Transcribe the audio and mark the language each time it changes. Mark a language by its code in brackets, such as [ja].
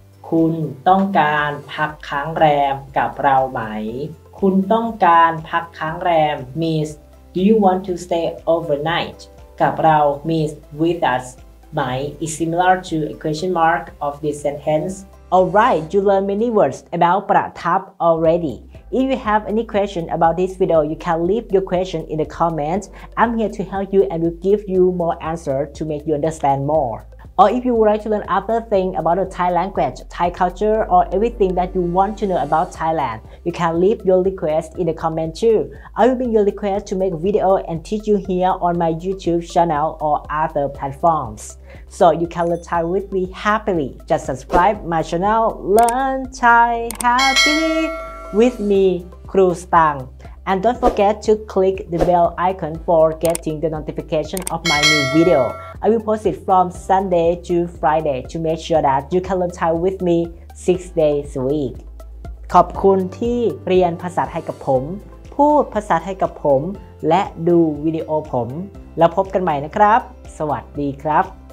[th] คุณต้องการพักค้างแรมกับเราไหมคุณต้องการพักค้างแรม [en] means Do you want to stay overnight [th] กับเรา [en] means with us my is similar to a question mark of this sentence alright you learn many words about ประทับ already if you have any question about this video you can leave your question in the comments I'm here to help you and will give you more answer to make you understand more or if you would like to learn other thing about the Thai language Thai culture or everything that you want to know about Thailand you can leave your request in the comment too I will bring your request to make a video and teach you here on my YouTube channel or other platforms so you can learn Thai with me happily just subscribe my channel Learn Thai Happily with me Kru Stang And don't forget to click the bell icon for getting the notification of my new video. I will post it from Sunday to Friday to make sure that you can learn Thai with me 6 days a week. [th] ขอบคุณที่เรียนภาษาไทยกับผมพูดภาษาไทยกับผมและดูวิดีโอผมแล้วพบกันใหม่นะครับสวัสดีครับ